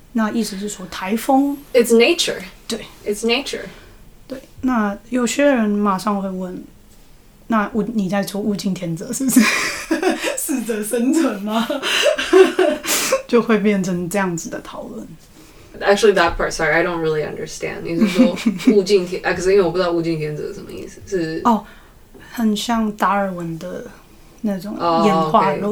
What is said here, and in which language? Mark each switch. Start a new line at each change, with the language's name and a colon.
Chinese: 那意思是说台风
English: It's nature.
Chinese: 对
English: It's nature.
Chinese: 对，那有些人马上会问，那你在说物竞天择是不是适者生存吗？就会变成这样子的讨论。
English: Actually that part, sorry, I don't really understand.
Chinese: 你是说物竞天择，可是因为我不知道物竞天择是什么意思。是哦， oh, 很像达尔文的那种演化论、